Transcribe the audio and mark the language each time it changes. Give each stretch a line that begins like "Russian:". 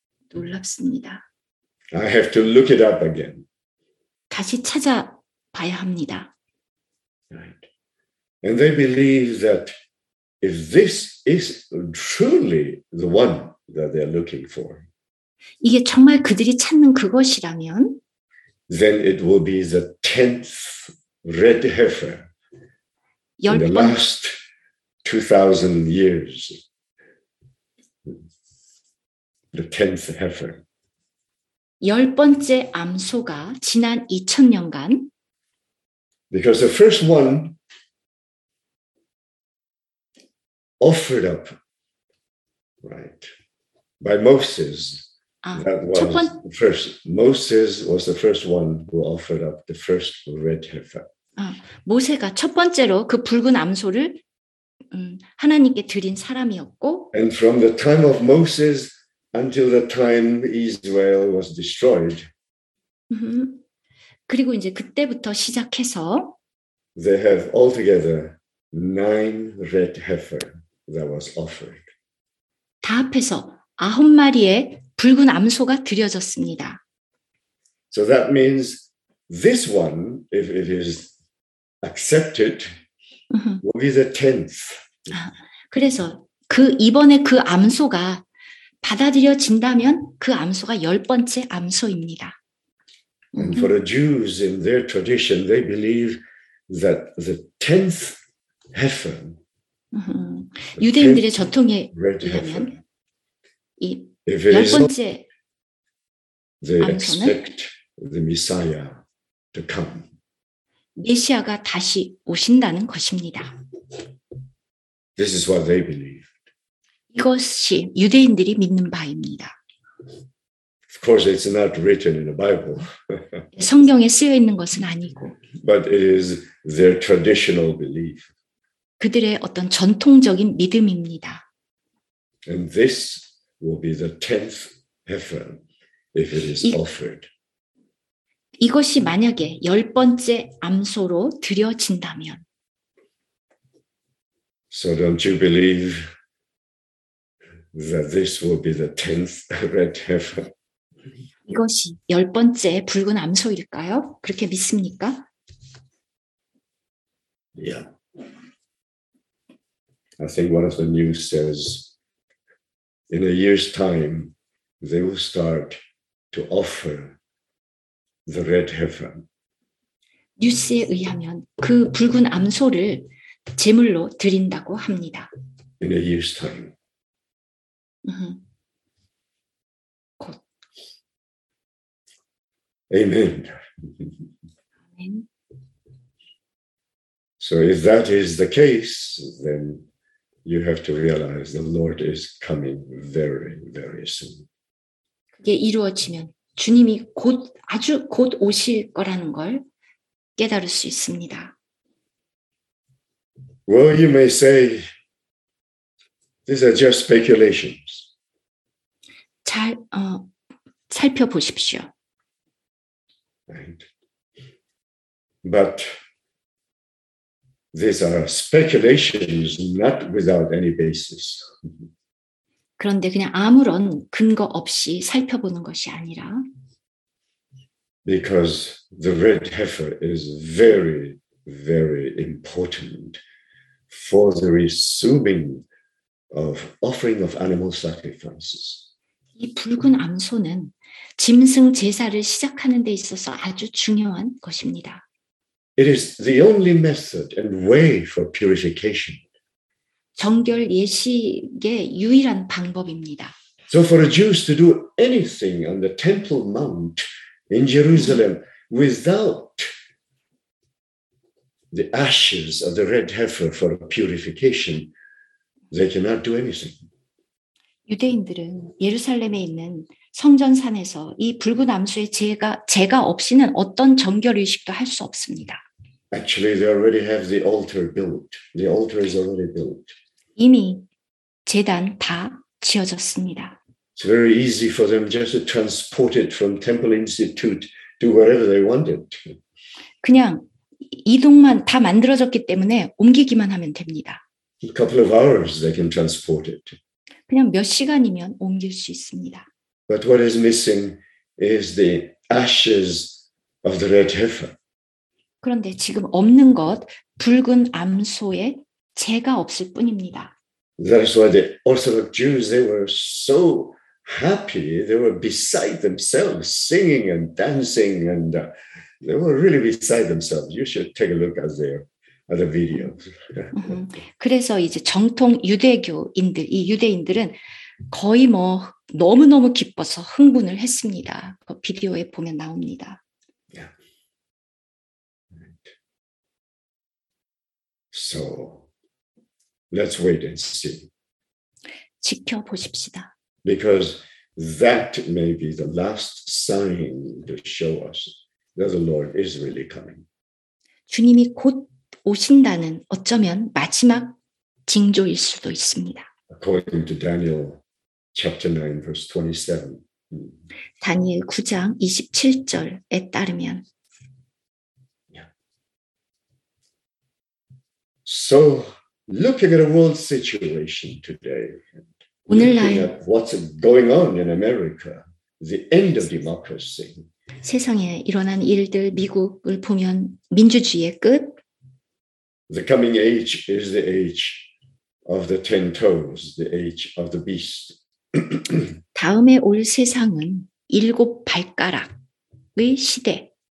Korean: 놀랍습니다.
English: I have to look it up again.
Korean: 다시 찾아봐야 합니다.
English: Right. And they believe that if this is truly the one that they are looking for,
Korean: 이게 정말 그들이 찾는 그것이라면,
English: then it will be the tenth red heifer in the last 2,000 years. The tenth heifer.
Korean: 열 번째 암소가 지난 2000년간.
English: Because the first one offered up, right, by Moses.
Korean: 첫 번째 Moses
English: was the first one who offered up the first red heifer.
Korean: 아, 모세가 첫 번째로 그 붉은 암소를 하나님께 드린 사람이었고.
English: And from the time of Moses until the time Israel was destroyed.
Korean: 그리고 이제 그때부터 시작해서.
English: They have altogether 9 red heifer that was offered.
Korean: 다 합해서 아홉 마리의 붉은 암소가 드려졌습니다.
English: So that means this one, if it is accepted, will be the tenth.
Korean: 그래서 그 이번에 그 암소가 받아들여진다면 그 암소가 열 번째 암소입니다.
English: And for the Jews in their tradition, they believe that the tenth heifer.
Korean: 유대인들의 전통에 의하면 이
English: If it
Korean: 열 번째
English: they expect the Messiah to come.
Korean: 메시아가 다시 오신다는 것입니다.
English: This is what they believed.
Korean: 이것이 유대인들이 믿는 바입니다.
English: Of course, it's not written in the Bible.
Korean: 성경에 쓰여 있는 것은 아니고.
English: But it is their traditional belief.
Korean: 그들의 어떤 전통적인 믿음입니다.
English: And this will be the tenth heifer if it is offered.
Korean: 이것이 만약에 열 번째 암소로 드려진다면.
English: So don't you believe that this will be the tenth red heifer?
Korean: 이것이 열 번째 붉은 암소일까요? 그렇게 믿습니까?
English: Yeah. I think one of the news says in a year's time, they will start to offer the red heifer.
Korean: 뉴스에 의하면 그 붉은 암소를 제물로 드린다고 합니다.
English: In a year's time.
Korean: 곧.
English: Amen. Amen. So if that is the case, then you have to realize the Lord is coming very, very soon.
Korean: 그게 이루어지면 주님이 곧 아주 곧 오실 거라는 걸 깨달을 수 있습니다.
English: Well, you may say these are just speculations.
Korean: 잘 살펴보십시오.
English: Right. But these are speculations, not without any basis.
Korean: 그런데 그냥 아무런 근거 없이 살펴보는 것이 아니라.
English: Because the red heifer is very, very important for the resuming of offering of animal sacrifices.
Korean: 이 붉은 암소는 짐승 제사를 시작하는 데 있어서 아주 중요한 것입니다.
English: It is the only method and way for purification.
Korean: 정결 예식의 유일한 방법입니다.
English: So for the Jews to do anything on the Temple Mount in Jerusalem without the ashes of the red heifer for purification, they cannot do anything.
Korean: 유대인들은 예루살렘에 있는 성전산에서 이 붉은 암소의 제가 없이는 어떤 정결 의식도 할 수 없습니다.
English: Actually, they already have the altar built. The altar is already built.
Korean: 이미 제단 다 지어졌습니다.
English: It's very easy for them just to transport it from Temple Institute to wherever they want it.
Korean: 그냥 이동만 다 만들어졌기 때문에 옮기기만 하면 됩니다.
English: A couple of hours they can transport it.
Korean: 그냥 몇 시간이면 옮길 수 있습니다.
English: But what is missing is the ashes of the red heifer.
Korean: 그런데 지금 없는 것 붉은 암소의 죄가 없을 뿐입니다.
English: That's why the Orthodox Jews, they were so happy. They were beside themselves, singing and dancing, and they were really beside themselves. You should take a look at their videos.
Korean: 그래서 이제 정통 유대교인들, 이 유대인들은 거의 뭐 너무 너무 기뻐서 흥분을 했습니다. 그 비디오에 보면 나옵니다.
English: So let's wait and see.
Korean: 지켜보십시다.
English: Because that may be the last sign to show us that the Lord is really coming.
Korean: 주님이 곧 오신다는 어쩌면 마지막 징조일 수도 있습니다.
English: According to Daniel chapter 9 verse 27.
Korean: 다니엘 9장 27절에 따르면
English: So, looking at a world situation today, looking at what's going on in America, the end of democracy.
Korean: 세상에 일어난 일들, 미국을 보면 민주주의의 끝.
English: The coming age is the age of the ten toes, the age of the beast.
Korean: 다음에 올 세상은 일곱 발가락의 시대.